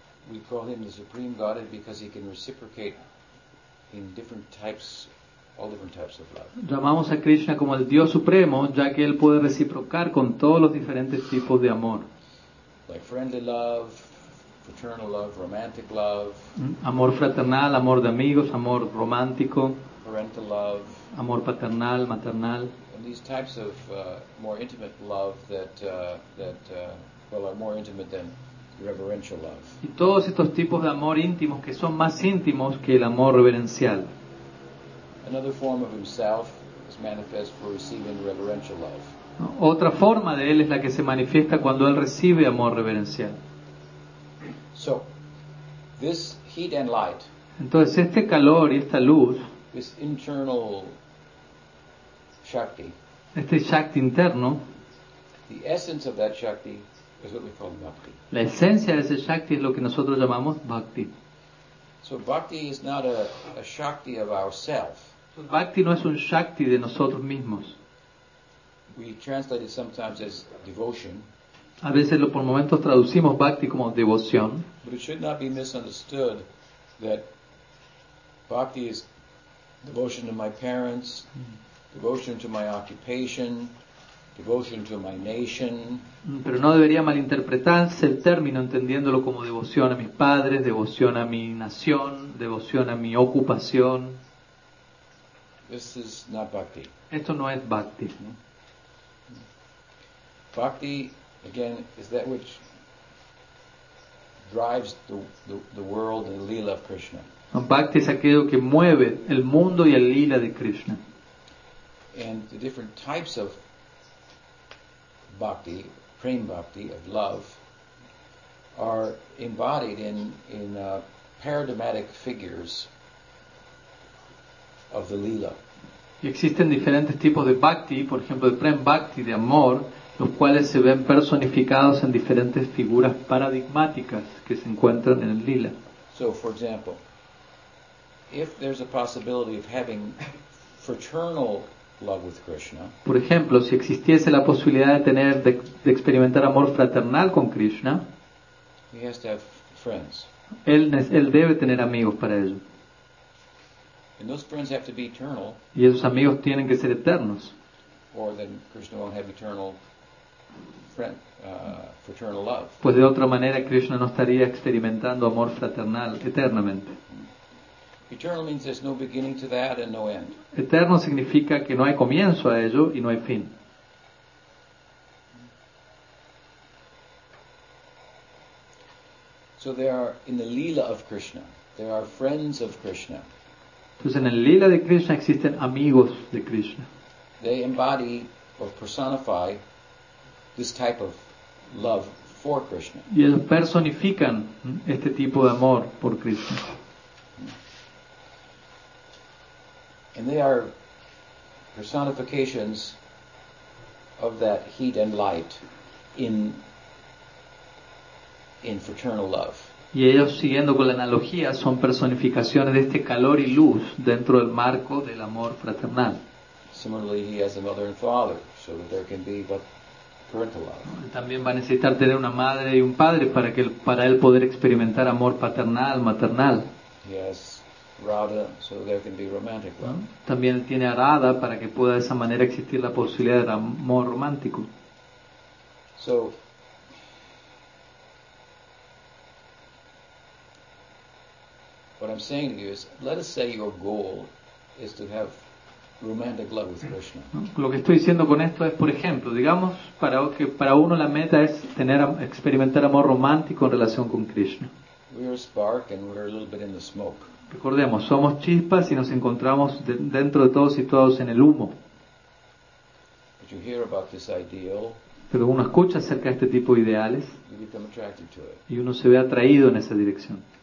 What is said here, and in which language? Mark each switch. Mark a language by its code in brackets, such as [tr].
[en] We call him the supreme Godhead because he can reciprocate in different types, all different types of love. [es] Llamamos a Krishna como el Dios supremo, ya que él puede reciprocar con todos los diferentes tipos de amor. [en] Like friendly love, fraternal love, romantic love. [es] Amor fraternal, amor de amigos, amor romántico. [en] Parental love. [es] Amor paternal, maternal. [en] And these types of more intimate love that are more intimate than reverential love. [es] Y todos estos tipos de amor íntimos que son más íntimos que el amor reverencial. [en] Another form of himself is manifest for receiving reverential love. [es] Otra forma de él es la que se manifiesta cuando él recibe amor reverencial. [en] So, this heat and light. [es] Entonces este calor y esta luz. [en] This internal shakti. [es] Este shakti interno. [en] The essence of that shakti is what we call bhakti. [es] La esencia de ese shakti es lo que nosotros llamamos bhakti. [en] So bhakti is not a shakti of ourselves. [es] Bhakti no es un shakti de nosotros mismos. [en] We translate it sometimes as devotion. [es] A veces por momentos traducimos bhakti como devoción. [en] But it should not be misunderstood that bhakti is devotion to my parents, devotion to my occupation, devotion to my nation. [es] Pero no debería malinterpretarse el término entendiéndolo como devoción a mis padres, devoción a mi nación, devoción a mi ocupación. [en] This is not bhakti. [es] Esto no es bhakti. [en] Bhakti, again, is that which drives the world and the lila of Krishna. [es] Bhakti es aquello que mueve el mundo y el lila de Krishna. [en] And the different types of bhakti, prem bhakti, of love, are embodied in paradigmatic figures of the lila. [es] Y existen diferentes tipos de bhakti, por ejemplo el prem bhakti de amor, los cuales se ven personificados en diferentes figuras paradigmáticas que se encuentran en el lila. [en] So, for example, if there's a possibility of having fraternal love with Krishna, [es] por ejemplo, si existiese la posibilidad de tener de experimentar amor fraternal con Krishna, [en] he has to have friends. [es] Él debe tener amigos para ello. [en] And those friends have to be eternal. [es] Y esos amigos tienen que ser eternos. [en] Or then Krishna won't have eternal fraternal love. [es] Pues de otra manera Krishna no estaría experimentando amor fraternal eternamente. [en] Eternal means there's no beginning to that and no end. [es] Eterno significa que no hay comienzo a ello y no hay fin. [en] So there are in the lila of Krishna, there are friends of Krishna. [es] Entonces en el lila de Krishna existen amigos de Krishna. [en] They embody or personify this type of love for Krishna. [es] Y ellos personifican este tipo de amor por Krishna. [en] And they are personifications of that heat and light in fraternal love. [es] Y ellos, siguiendo con la analogía, son personificaciones de este calor y luz dentro del marco del amor fraternal. [en] Similarly, he has a mother and father, so that there can be but parental love. [es] También va a necesitar tener una madre y un padre para él poder experimentar amor paternal, maternal. [en] Yes. Radha, so there can be romantic love. [es] También tiene a Radha para que pueda de esa manera existir la posibilidad del amor romántico. [en] So, What I'm saying to you is, let us say your goal is to have romantic love with Krishna. [es] Lo que estoy diciendo con esto es, por ejemplo, digamos que para uno la meta es tener, experimentar amor romántico en relación con Krishna. [en] We are a spark and we are a little bit in the smoke. [es] Recordemos, somos chispas y nos encontramos dentro de todos situados en el humo. [en] But you hear about this ideal, [es] pero uno escucha acerca de este tipo de ideales y uno se ve atraído en esa dirección.